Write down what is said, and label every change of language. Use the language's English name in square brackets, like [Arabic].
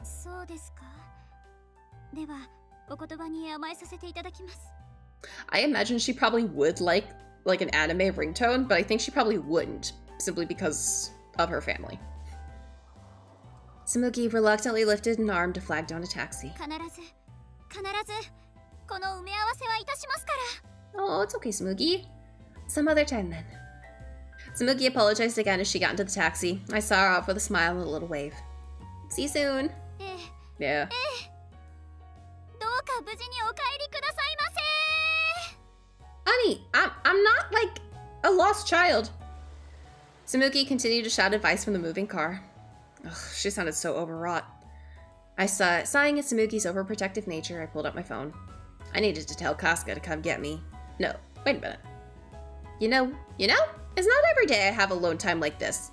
[Japanese] そうですか。ではお言葉に甘えさせていただきます。 [English] I imagine she probably would like an anime ringtone, but I think she probably wouldn't, simply because of her family. Tsumuki reluctantly lifted an arm to flag down a taxi. [Japanese] ]必ず、必ずこの埋め合わせはいたしますから。 [English] Oh, it's okay, Tsumuki. Some other time, then. Tsumuki apologized again as she got into the taxi. I saw her off with a smile and a little wave. See you soon. [Japanese] どうか無事にお帰りくださいませ! [English] Honey, I'm not, like, a lost child. Tsumuki continued to shout advice from the moving car. Ugh, she sounded so overwrought. I saw it. Sighing at Samuki's overprotective nature, I pulled up my phone. I needed to tell Kasuga to come get me. No, wait a minute. You know, it's not every day I have alone time like this.